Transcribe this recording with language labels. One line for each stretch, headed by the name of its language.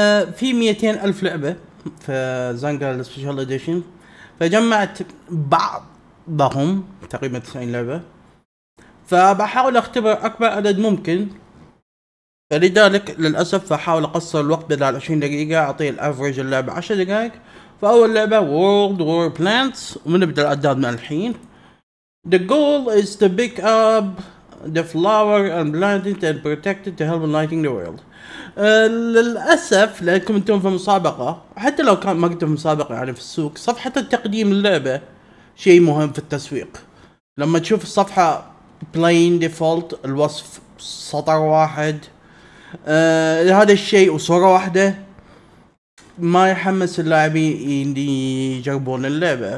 Arabic: في 200 ألف لعبة في زنقة السبيشال اديشن، فجمعت بعضهم تقريبا 90 لعبة، فبحاول اختبر اكبر عدد ممكن. لذلك للأسف فحاول اقصر الوقت بدل 20 دقيقة، اعطيه الافرج اللعبة 10 دقائق. فاول لعبة World War Plants، ونبدأ الاعداد من الحين.
English: The goal is to pick up the flower and plant it and protect it to help enlighten the world.
Arabic: للأسف لأنكم انتم في مسابقة، حتى لو كان ما كنتم في مسابقة يعني في السوق، صفحة التقديم للعبة شيء مهم في التسويق. لما تشوف الصفحة plain default، الوصف سطر واحد، هذا الشيء وصورة واحدة، ما يحمس اللاعبين اللي يجربون اللعبة.